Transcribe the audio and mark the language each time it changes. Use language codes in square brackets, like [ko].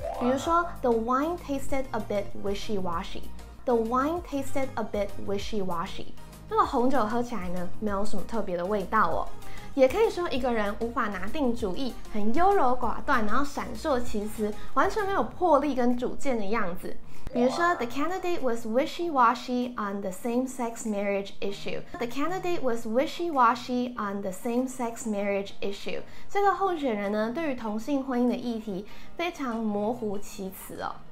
[zh] 比如说 [en] ，the wine tasted a bit wishy washy， the wine tasted a bit wishy washy。 [zh] 那个红酒喝起来呢，没有什么特别的味道哦。也可以说一个人无法拿定主意，很优柔寡断，然后闪烁其词，完全没有魄力跟主见的样子。比如说 [en] ，the candidate was wishy-washy on the same-sex marriage issue. The candidate was wishy-washy on the same-sex marriage issue. [zh] 这个候选人呢，对于同性婚姻的议题非常模糊其词哦。